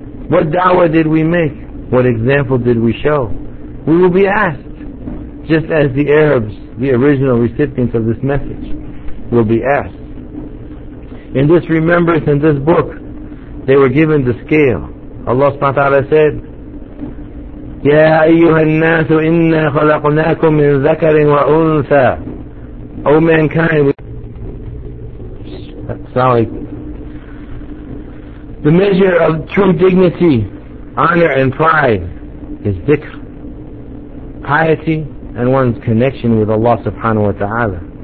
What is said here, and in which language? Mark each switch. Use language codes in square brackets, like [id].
[en] What da'wah did we make? What example did we show? We will be asked, just as the Arabs, the original recipients of this message, will be asked. In this remembrance, in this book, they were given the scale. Allah subhanahu wa ta'ala said, [ar] يَا أَيُّهَا النَّاسُ إِنَّا خَلَقْنَاكُمْ مِنْ ذَكَرٍ وَأُنْثَى. [en] O mankind, the measure of true dignity, honor and pride is dhikr, piety and one's connection with Allah subhanahu wa ta'ala.